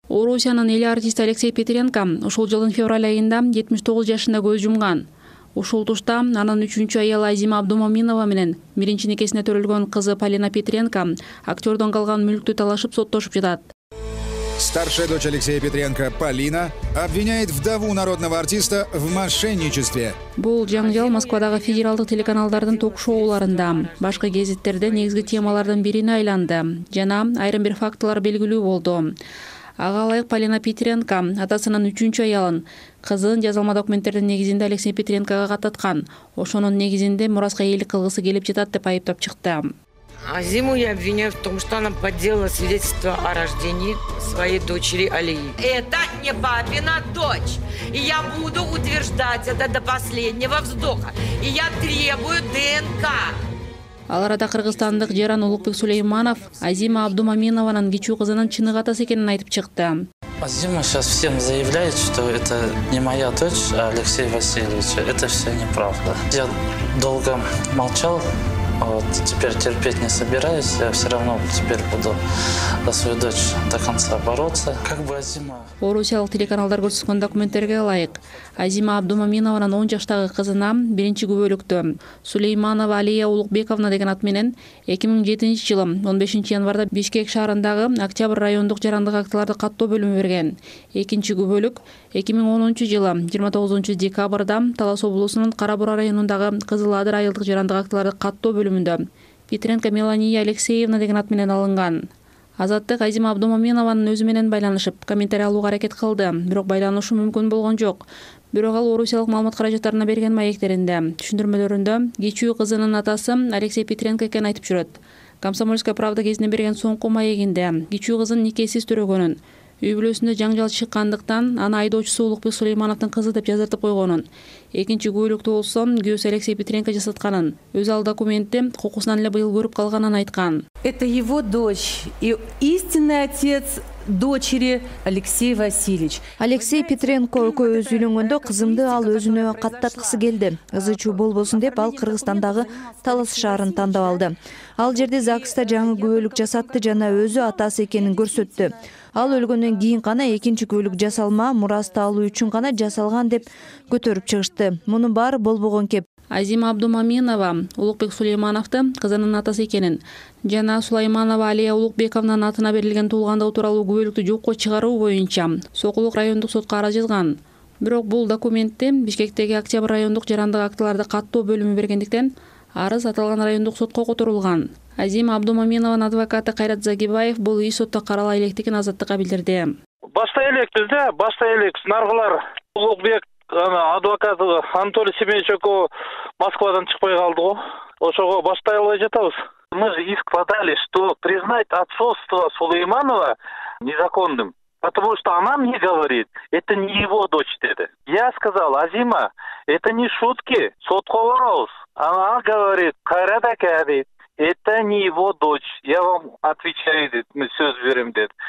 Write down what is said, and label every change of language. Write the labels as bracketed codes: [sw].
[ky] Орусиянын эл артисти Алексей Петренко ошол жылдын февраль айында 79 жашында көз жумган. Ушул тушта анын үчүнчү аялы Азима Абдумоминова менен биринчи никесине төрөлгөн кызы Полина Петренко актердон калган мүлктү талашып соттошуп жатат. [ru] Старшая дочь Алексея Петренко, Полина, обвиняет вдову народного артиста в мошенничестве. [ky] Бул жаңжал Москвадагы федералдык телеканалдардын ток-шоуларында, башка гезиттерде негизги темалардын бирине айланды жана айрым бир фактылар белгилүү болду. Ага ылайык Полина Петренко атасынын үчүнчү аялын кызын жазылма документтердин негизинде Алексей Петренкого кататкан, ошонун негизинде мураска ээлик кылгысы келип жатат деп айыптап чыкты. [ru] Азиму я обвиняю в том, что она подделала свидетельство о рождении своей дочери Алии. Это не папина дочь. И я буду утверждать это до последнего вздоха. И я требую ДНК. [ky] Ал арада кыргызстандык Жаран Улукбек Сулейманов Азима Абдумоминованын кичүү кызынын чыныгы атасы экенин айтып чыкты. [ru] Азима сейчас всем заявляет, что это не моя дочь, а Алексей Васильевич. Это все неправда. Я долго молчал. Вот теперь терпеть не собираюсь, я все равно теперь буду за свою дочь до конца бороться. Как бы Азима. [ky] Орусиялык телеканалдар көрсөткөн документтерге ылайык, Азима Абдумоминованын 10 жаштагы кызына биринчи күбөлүктү Сулейманова Алия Улукбековна деген ат менен 2007 жылы 15 январда Бишкек шаарындагы Октябрь райондук жарандык актыларды каттоо бөлүмү берген. Экинчи күбөлүк 2010 жылы 29 декабрда Талас облусунун Кара Бура районундагы Кызыл Адыр айылдык жарандык актыларды каттоо бөлүмүндө Петренко Мелания Алексеевна деген ат менен алынган. Азаттык Азима Абдумоминованын өзү менен байланышып, комментарий алууга аракет кылды, бирок байланышуу мүмкүн болгон жок. Бирок ал орусиялык маалымат каражаттарына берген маектеринде, түшүндүрмөлөрүндө кичүү кызынын атасы Алексей Петренко экенин айтып жүрөт. Комсомольская правда гезитине берген соңку маегинде кичүү кызын никесиз төрөгөнүн, үй бүлөсүндө жаңжал чыккандыктан аны айдоочусу Улукбек Сулеймановдун кызы деп жазартып койгонун, экинчи күбөлүктү болсо күйөөсү Алексей Петренко жасатканын, өзү ал документти кокусунан эле быйыл көрүп калганын айткан. [ru] Это его дочь и истинный отец дочери Алексей Васильевич. [ky] Алексей Петренко экөөбүз үйлөнгөндө кызымды ал өзүнө каттаткысы келди. Ызы чуу болбосун деп ал Кыргызстандагы Талас шаарын тандап алды. Ал жерде ЗАГСта жаңы күбөлүк жасатты жана өзү атасы экенин көрсөттү. Ал өлгөндөн кийин гана экинчи күбөлүк жасалма, мурасты алуу үчүн гана жасалган деп көтөрүп чыгышты. Мунун баары болбогон кеп. Азима Абдумоминова Улукбек Сулеймановду кызынын атасы экенин жана Сулайманова Алия Улукбековнанын атына берилген туулгандыгы тууралуу күбөлүктү жокко чыгаруу боюнча Сокулук райондук сотко арыз жазган. Бирок бул документти Бишкектеги Октябрь райондук жарандык актыларды каттоо бөлүмү бергендиктен арыз аталган райондук сотко которулган. Азима Абдумоминованын адвокаты Кайрат Загибаев бул иш сотто карала электигин азаттыкка билдирди. Башта электир да, башта элек снаргалар Улукбек адвокаты Анатолий Семенович экөө Москвадан чыкпай калды го. Ошого баштай албай жатабыз. [ru] Мы же иск подали, что признать отцовство Сулейманова незаконным, потому что она мне говорит, это не его дочь, [ky] деди. [ru] Я сказал, Азима, это не шутки, [ky] сотко барабыз. [ru] Она говорит, Кайрат аке, [ky] дейт, [ru] это не его дочь, я вам отвечаю, дейт, мы [ky] сөз берем, дейт.